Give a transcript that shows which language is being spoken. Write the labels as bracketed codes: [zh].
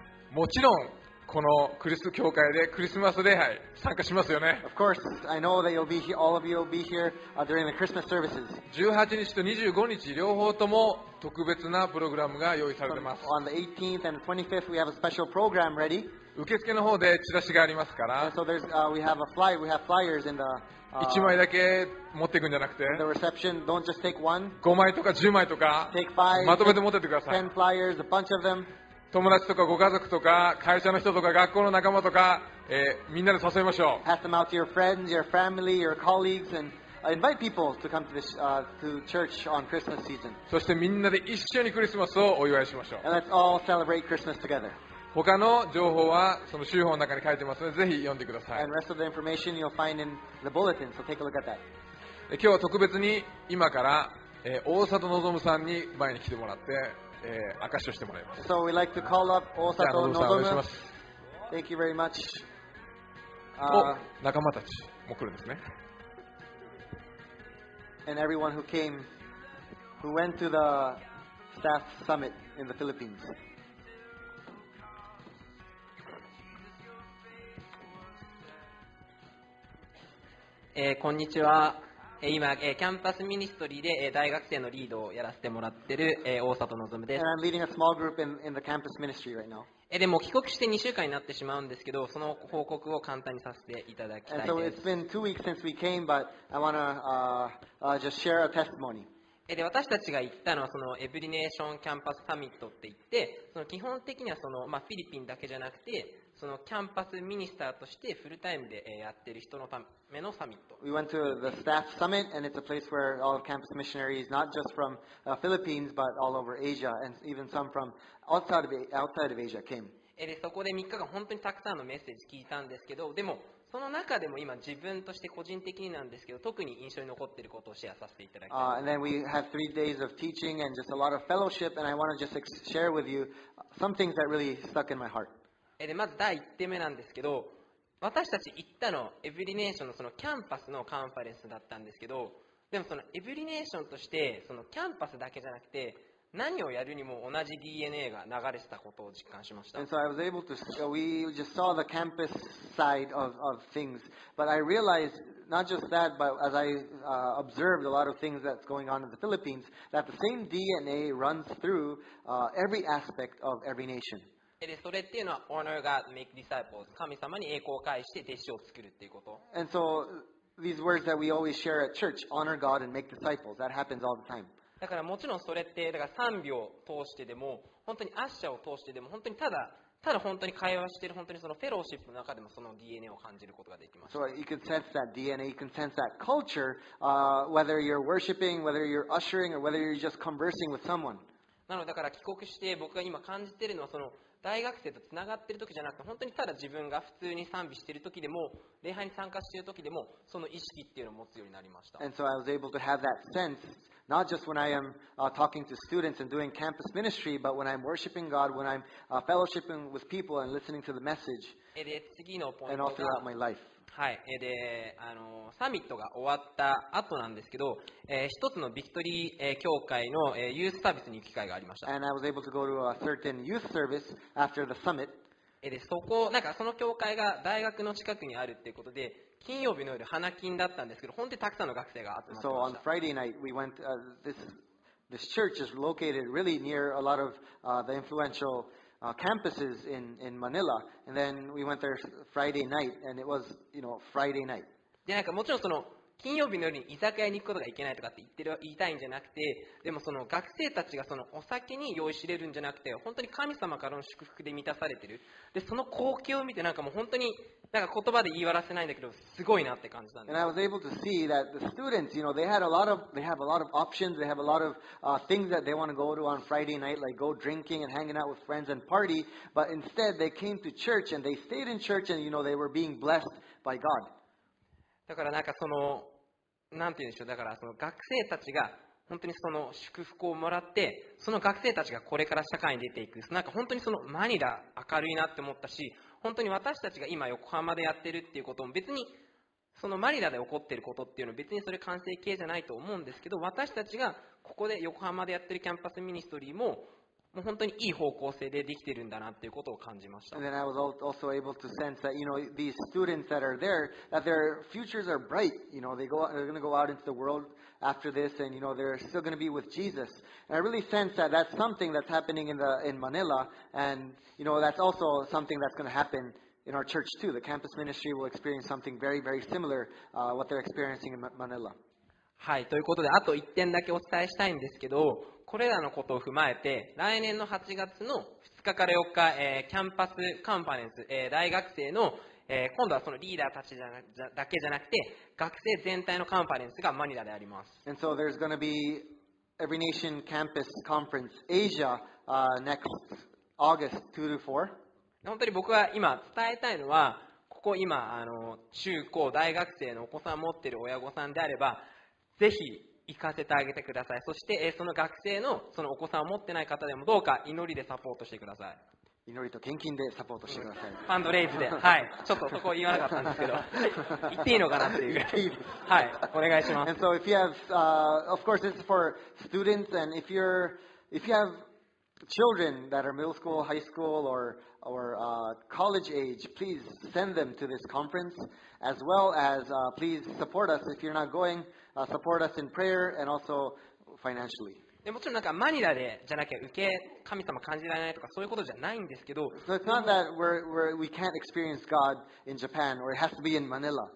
[ja] もちろんこのクリスト教会でクリスマス礼拝参加しますよね。 [en] Of course, I know that you'll be here, all of you will be here during the Christmas services. [ja] 18日と25日両方とも特別なプログラムが用意されています。 [en] On the 18th and 25th we have a special program ready. [ja] 受付の方でチラシがありますから。 [en] So there's, we have a flyer, we have flyers in the [ja] 1枚だけ持っていくんじゃなくて、 [en] the reception, don't just take one. [ja] 5枚とか10枚とか [en] take five, [ja] まとめて持ってってください。 [en] 10 flyers, a bunch of them. [ja] 友達とかご家族とか会社の人とか学校の仲間とか、みんなで誘いましょう。 [en] Pass them out to your friends, your family, your colleagues, and invite people to come to, this, to church on Christmas season. [ja] そしてみんなで一緒にクリスマスをお祝いしましょう。 [en] And let's all celebrate Christmas together. [ja] 他の情報はその集報の中に書いてますのでぜひ読んでください。 [en] And rest of the information you'll find in the bulletin, so take a look at that. [ja] 今日は特別に今から、大里望さんに前に来てもらって、証しをしてもらいます。 [en] So we'd like to call up 大里望。 [ja] じゃあ、お願いします。 [en] Thank you very much. [ja] 仲間たちも来るんですね。 [en] And everyone who came, who went to the staff summit in the Philippines. [ja] こんにちは。今、キャンパスミニストリーで大学生のリードをやらせてもらってる、大里望です。 [en] And I'm leading a small group in the campus ministry right now. [ja] でも帰国して2週間になってしまうんですけど、その報告を簡単にさせていただきたいです。 [en] And so it's been 2 weeks since we came, but I want to just share a testimony. [ja] で私たちが行ったのはそのエブリネーションキャンパスサミットって言って、その基本的にはその、まあ、フィリピンだけじゃなくて、そのキャンパスミニスターとしてフルタイムでやってる人のためのサミット。 [en] We went to the staff summit and it's a place where all of campus missionaries, not just from Philippines but all over Asia and even some from outside of Asia came. [ja] でそこで3日間本当にたくさんのメッセージ聞いたんですけど、でもその中でも今自分として個人的になんですけど、特に印象に残っていることをシェアさせていただきます。 [en] And then we have 3 days of teaching and just a lot of fellowship and I want to just share with you some things that really stuck in my heart. [ja] でまず第1点目なんですけど、私たち行ったのエブリネーションのそのキャンパスのカンファレンスだったんですけど、でもそのエブリネーションとしてそのキャンパスだけじゃなくて何をやるにも同じ DNA が流れてたことを実感しました。 [en] And so I was able to see, we just saw the campus side of things, but I realized not just that, but as I observed a lot of things that's going on in the Philippines, that the same DNA runs through every aspect of every nation. [ja] でそれっていうのは [en] Honor God, make disciples. [ja] 神様に栄光を返して弟子を作るっていうこと。 [en] And so these words that we always share at church, honor God and make disciples, that happens all the time. [ja] だからもちろんそれってだから賛美を通してでも本当にアッシャーを通してでも本当にただ本当に会話している本当にそのフェローシップの中でもその DNA を感じることができます。 [en] So you can sense that DNA, you can sense that culture, whether you're worshiping, whether you're ushering, or whether you're just conversing with someone. [ja] なのでだから帰国して僕が今感じているのはその大学生とつながっている時じゃなくて本当にただ自分が普通に賛美している時でも礼拝に参加している時でもその意識っていうのを持つようになりました。 [en] And so I was able to have that sense not just when I am talking to students and doing campus ministry but when I'm worshiping God, when I'm fellowshipping with people and listening to the message [ja] で次のポイントが [en] and all throughout my life、 [ja] はい、でサミットが終わった後なんですけど、一つのビクトリー、教会の、ユースサービスに行く機会がありました。 [en] And I was able to go to a certain youth service after the summit. [ja] でそこなんかその教会が大学の近くにあるっていうことで金曜日の夜花金だったんですけど本当にたくさんの学生が集まってました。 [en] So on Friday night we went, this church is located really near a lot of the influentialcampuses in Manila, and then we went there Friday night, and it was, you know, Friday night. [ja] でなんかもちろんその金曜日の夜に居酒屋に行くことがいけないとかって言いたいんじゃなくて、でもその学生たちがそのお酒に酔いしれるんじゃなくて、本当に神様からの祝福で満たされてる。でその光景を見てなんかもう本当になんか言葉で言い笑わせないんだけどすごいなって感じたんです。 [en] And I was able to see that the students, you know, they have a lot of options, they have a lot of things that they want to go to on Friday night, like go drinking and hanging out with friends and party, but instead they came to church and they stayed in church and you know they were being blessed by God. [ja] だからなんかそのなんて言うんでしょう、だからその学生たちが本当にその祝福をもらってその学生たちがこれから社会に出ていく、なんか本当にそのマニラ明るいなって思ったし、本当に私たちが今横浜でやってるっていうことも別にそのマニラで起こってることっていうのは別にそれ完成形じゃないと思うんですけど、私たちがここで横浜でやってるキャンパスミニストリーももう本当にいい方向性でできてるんだなっていうことを感じました。 [en] And then I was also able to sense that, you know, these students that are there, that their futures are bright. You know, they're going to go out into the world after this, and you know, they're still going to be with Jesus. And I really sense that that's something that's happening in Manila, and you know, that's also something that's going to happen in our church too. The campus ministry will experience something very, very similar, what they're experiencing in Manila. [ja] はい、ということであと1点だけお伝えしたいんですけど、これらのことを踏まえて来年の8月の2日から4日、キャンパスカンファレンス、大学生の、今度はそのリーダーたちだけじゃなくて学生全体のカンファレンスがマニラであります。 [en] And so there's going to be Every Nation Campus Conference Asia next August 2-4. [ja] 本当に僕が今伝えたいのはここ今中高大学生のお子さん持っている親御さんであればぜひ行かせてあげてください。そしてその学生のそのお子さんを持ってない方でもどうか祈りでサポートしてください。祈りと献金でサポートしてください、ファンドレイズで、はい、ちょっとそこ言わなかったんですけど言っていいのかなっていう、はい、お願いします。 [en] And so if you have, of course it's for students and if you have children that are middle school, high school, college age, please send them to this conference, as well as please support us if you're not going, support us in prayer and also financially. [ja] でもちろんなんかマニラでじゃなきゃ受け神様感じられないとかそういうことじゃないんですけど、 [en] so、it's not that we can't experience God in Japan or it has to be in Manila.